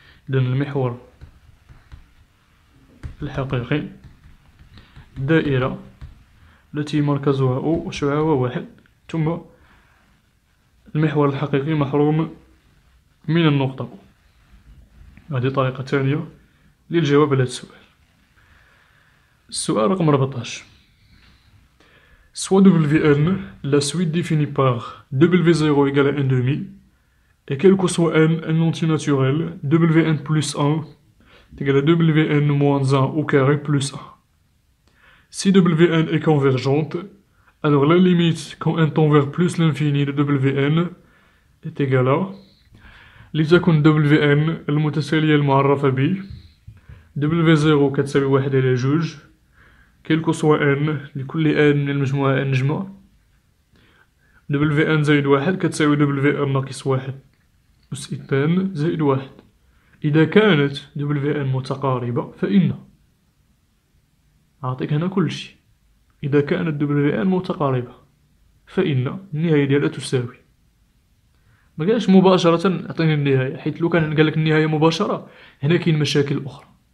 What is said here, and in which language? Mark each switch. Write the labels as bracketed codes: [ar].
[ar] إذا المحور الحقيقي دائرة التي مركزها او وشعاعها واحد، ثم المحور الحقيقي محروم من النقطة. هذه طريقة ثانية للجواب على السؤال. السؤال رقم 14. [fr] Soit WN, la suite définie par W0 égale à 1/2, et quel que soit N, un entier naturel, WN plus 1 égale à WN moins 1 au carré plus 1. [ar] Si WN est convergente, alors la limite quand N tend vers plus l'infini de WN est égale à لتكن WN المتسالية المعرفة ب W0 كتساوي واحد على جوج، كيلكو سوا N لكل N من المجموعة N جمع، WN زائد واحد كتساوي WN ناقص واحد أس اتنين زائد واحد. إذا كانت WN متقاربة فإن، أعطيك هنا كل شيء. إذا كانت WN متقاربة فإن النهاية ديالها تساوي، ما قالش مباشرة عطيني النهاية، حيت لو كان قالك النهاية مباشرة هنا كاين مشاكل أخرى.